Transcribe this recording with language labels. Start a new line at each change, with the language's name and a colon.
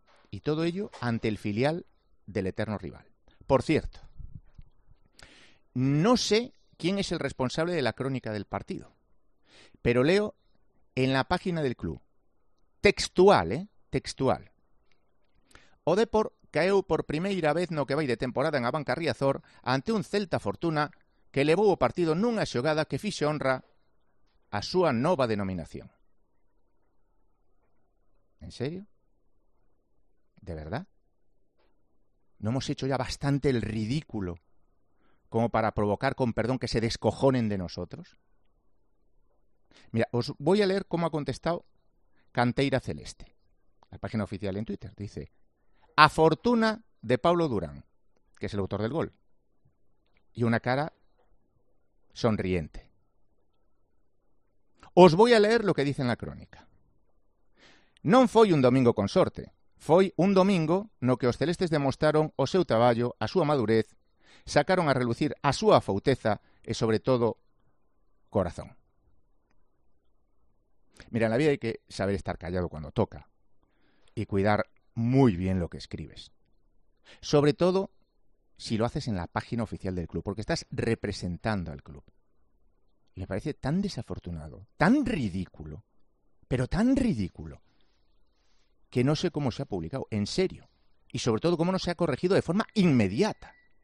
Spanish: Y todo ello ante el filial del eterno rival. Por cierto, no sé quién es el responsable de la crónica del partido, pero leo en la página del club, textual.
Galician: O Depor caeu por primeira vez no que vai de temporada en a banca Riazor ante un Celta Fortuna que levou o partido nunha xogada que fixe honra a súa nova denominación.
Spanish: ¿En serio? ¿De verdad? ¿No hemos hecho ya bastante el ridículo como para provocar, con perdón, que se descojonen de nosotros? Mira, os voy a leer cómo ha contestado Canteira Celeste, la página oficial en Twitter. Dice, a fortuna de Pablo Durán, que es el autor del gol, y una cara sonriente. Os voy a leer lo que dice en la crónica.
Galician: Non foi un domingo con sorte. Foi un domingo no que os celestes demostraron o seu traballo, a súa madurez, sacaron a relucir a súa fouteza e, sobre todo, corazón.
Spanish: Mira, en la vida hai que saber estar callado cuando toca e cuidar moi bien lo que escribes. Sobre todo, si lo haces en la página oficial del club, porque estás representando al club. Y me parece tan desafortunado, tan ridículo, pero tan ridículo, que no sé cómo se ha publicado, en serio. Y sobre todo, cómo no se ha corregido de forma inmediata.